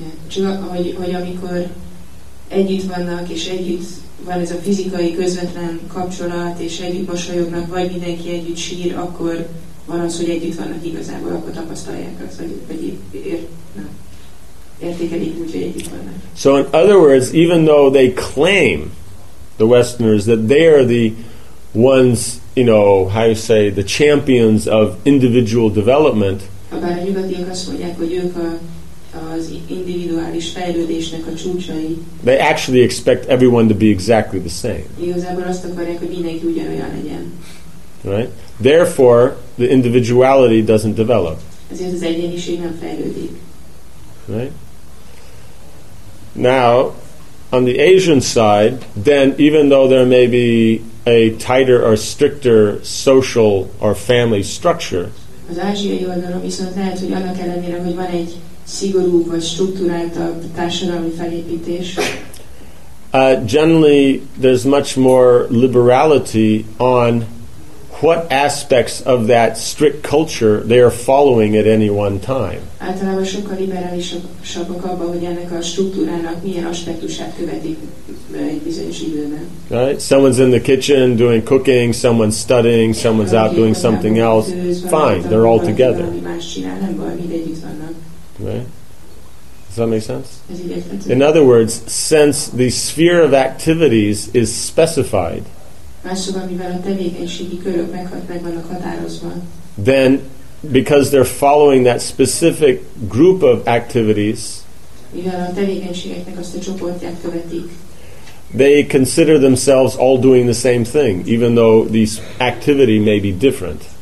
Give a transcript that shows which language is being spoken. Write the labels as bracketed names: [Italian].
[Hungarian] Csak, hogy amikor együtt vannak, és együtt van ez a fizikai közvetlen kapcsolat, és együtt mosolyognak, vagy mindenki együtt sír, akkor van az, hogy együtt vannak igazából, akkor tapasztalják azt, vagy értékelik úgy, hogy együtt vannak. [English] So in other words, even though they claim, the Westerners, that they are the ones, you know, how you say, the champions of individual development, [Hungarian] bár a nyugatiak azt mondják, hogy ők az individuális fejlődésnek a csúcsai, [English] they actually expect everyone to be exactly the same. [Hungarian] Igazából azt akarják, hogy mindenki ugyanolyan legyen. [English] Right? Therefore, the individuality doesn't develop. [Hungarian] Ezért az egyéniség nem fejlődik. [English] Right? Now, on the Asian side, then even though there may be a tighter or stricter social or family structure, [Hungarian] az ázsiai oldalon viszont lehet, hogy annak ellenére, hogy van egy szigorú vagy struktúráltabb társadalmi felépítés, [English] Generally there's much more liberality on what aspects of that strict culture they are following at any one time. [Hungarian] Általában sokkal liberálisabbak abban, hogy ennek a struktúrának milyen aspektusát követik egy bizonyos időben. [English] Someone's in the kitchen doing cooking, someone's studying, someone's out doing something else. Fine, they're all together. [Hungarian] Más csinál, nem baj, mindegy, itt vannak. [English] Right? Does that make sense? In other words, since the sphere of activities is specified, then because they're following that specific group of activities, they consider themselves all doing the same thing, even though this activity may be different.